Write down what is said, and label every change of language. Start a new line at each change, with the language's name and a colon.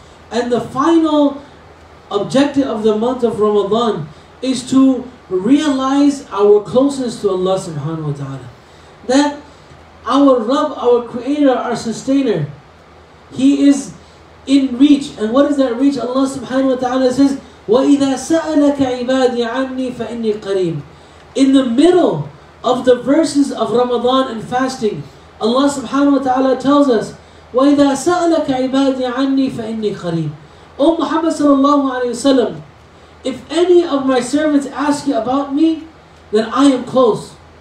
English: And the final objective of the month of Ramadan is to realize our closeness to Allah subhanahu wa ta'ala. That our Rabb, our Creator, our Sustainer, He is in reach. And what is that reach?
Arabic: Allah subhanahu wa ta'ala says, وَإِذَا سَأَلَكَ عِبَادِي عَنِّي فَإِنِّي قَرِيمٌ.
English: In the middle of the verses of Ramadan and fasting, Allah subhanahu wa ta'ala tells us,
Arabic: وَإِذَا سَأَلَكَ عِبَادِي عَنِّي فَإِنِّي قَرِيمٌ.
English: O Muhammad sallallahu alayhi wa sallam, if any of my servants ask you about me, then I am close.